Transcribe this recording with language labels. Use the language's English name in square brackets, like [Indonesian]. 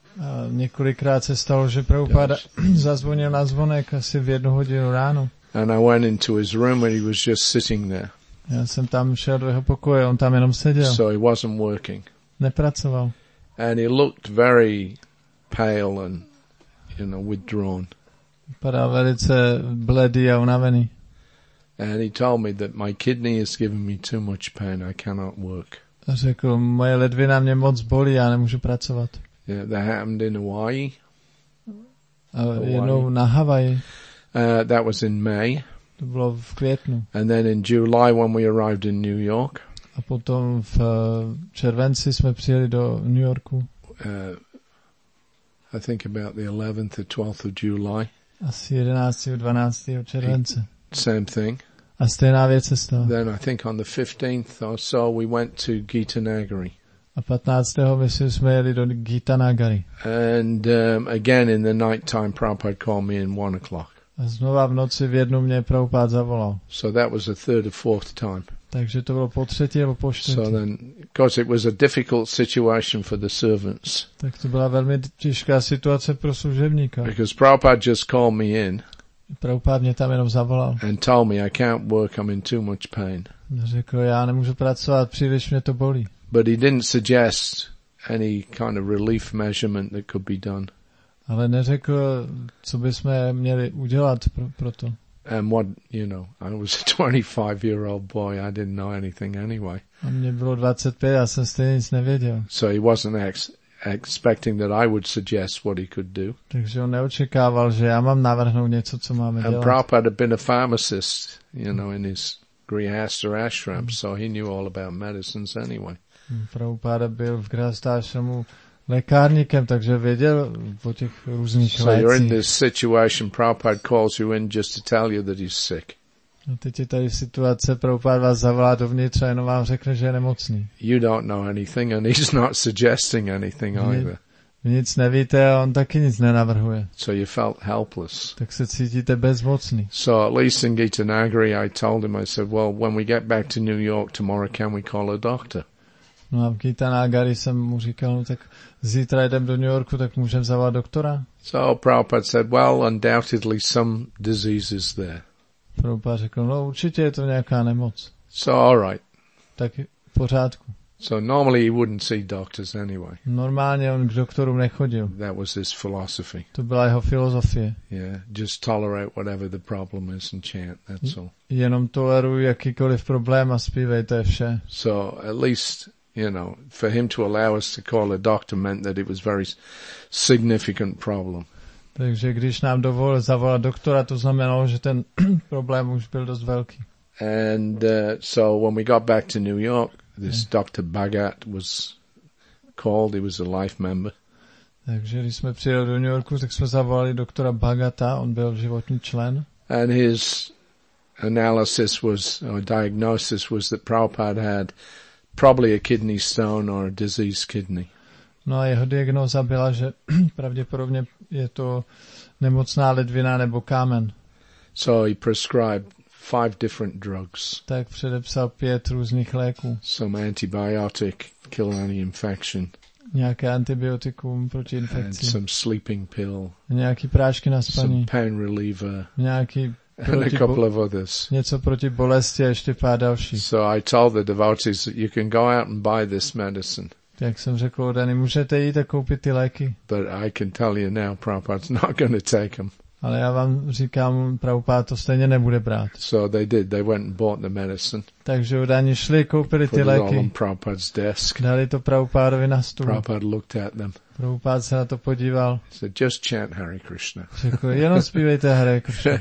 [Czech] A několikrát se stalo, že Prabhupada zazvonil na zvonek asi v 1 hodinu ráno. [English] And I went into his room and he was just sitting there. [Czech] Já jsem tam šel do jeho pokoje, on tam jenom seděl. [English] So he wasn't working. [Czech] Nepracoval. [English] And he looked very pale and, you know, withdrawn. [Czech] Vypadal velice bledý a unavený. [English] And he told me that my kidney is giving me too much pain, I cannot work. [Czech] A řekl, moje ledvina mě moc bolí, já nemůžu pracovat. [English] Yeah, that happened in Hawaii. [Czech] Jednou na Havaji. [English] That was in May. [Czech] To bylo v květnu. [English] And then in July when we arrived in New York. [Czech] A potom v červenci jsme přijeli do New Yorku. [English] I think about the 11th or 12th of July. [Czech] Asi 11. 12. července. [English] Same thing. [Czech] A stejná věc se stala. [English] Then I think on the 15th or so we went to Gita Nagari. [Czech] A 15. myslím, jsme jeli do Gita Nagari. [English] And again in the night time Prabhupada called me in 1 o'clock. [Czech] A znova v noci v jednu mě Prabhupád zavolal. [English] So that was the third or fourth time. [Czech] Takže to bylo po třetí nebo po čtvrtý. [English] So then, because it was a difficult situation for the servants. [Czech] Tak to byla velmi těžká situace pro služebníka. [English] Because Prabhupád just called me in. [Czech] Prabhupád mě tam jenom zavolal. [English] And told me I can't work, I'm in too much pain. [Czech] Řekl, já nemůžu pracovat, příliš mě to bolí. [English] But he didn't suggest any kind of relief measurement that could be done. [Czech] Ale neřekl, co bychom měli udělat pro to. [English] And what, you know, I was a 25-year-old boy, I didn't know anything anyway. [Czech] A mě bylo 25, já jsem stejně nic nevěděl. [English] So he wasn't expecting that I would suggest what he could do. [Czech] Takže on neočekával, že já mám navrhnout něco, co máme dělat. [English] And Prabhupada had been a pharmacist, you know, in his Grihastha ashram, so he knew all about medicines anyway. [Czech] Prabhupada byl v Grihastha ashramu lékárníkem, takže věděl o těch různých lécích. [English] So you're in this situation, Prabhupada calls you in just to tell you that he's sick. [Czech] A teď je tady situace, Prabhupada vás zavolá dovnitř a jenom vám řekne, že je nemocný. [English] You don't know anything and he's not suggesting anything either. [Czech] Vy nic nevíte a on taky nic nenavrhuje. [English] So you felt helpless. [Czech] Tak se cítíte bezmocný. [English] So at least in Gita Nagari I told him, I said, well, when we get back to New York tomorrow, can we call a doctor? [Czech] No a v Gita Nagari jsem mu říkal, no tak zítra jdem do New Yorku, tak můžem zavolat doktora? [English] So Prabhupada said, well, undoubtedly some disease is there. [Czech] Prabhupada řekl, no určitě je to nějaká nemoc. [English] So all right. [Czech] Tak v pořádku. [English] So normally he wouldn't see doctors anyway. [Czech] Normálně on k doktorům nechodil. [English] That was his philosophy. [Czech] To byla jeho filozofie. [English] Yeah, just tolerate whatever the problem is and chant, that's all. [Czech] Jenom toleruj jakýkoliv problém a zpívej, to je vše. [English] So at least, you know, for him to allow us to call a doctor meant that it was very significant problem. [Czech] Takže když nám dovolil zavolat doktora, to znamenalo, že ten problém už byl dost velký. [English] And so when we got back to New York, this Dr. Bhagat was called. He was a life member. [Czech] Takže když jsme přijeli do New Yorku, tak jsme zavolali doktora Bhagata. On byl životní člen. [English] And his analysis was, or diagnosis was, that Prabhupada had probably a kidney stone or a diseased kidney. [Czech] No a jeho diagnóza byla, že pravděpodobně je to nemocná ledvina nebo kámen. [English] So he prescribed 5 different drugs. [Czech] Tak předepsal 5 různých léků. [English] Some antibiotic, kill any infection. [Czech] Nějaké antibiotikum proti infekci. [English] And some sleeping pill. [Czech] Nějaký prášky na spaní. [English] Some pain reliever. [Czech] Nějaký [English] and a couple of others. [Czech] Něco proti bolesti a ještě pár dalších. [English] So I told the devotees that you can go out and buy this medicine. [Czech] Jak jsem řekl, Dani, můžete jít a koupit ty léky. [English] But I can tell you now, Prabhupada's not going to take them. [Czech] Ale já vám říkám, Prabhupáda to stejně nebude brát. [English] So they did. They went and bought the medicine. [Czech] Takže oni šli, koupili ty léky. Dali to Prabhupádovi na stůl. [English] Prabhupáda looked at them. [Czech] Prabhupád se na to podíval. [English] So just chant Hare Krishna. [Czech] Řekl, jenom zpívejte Hare Krishna.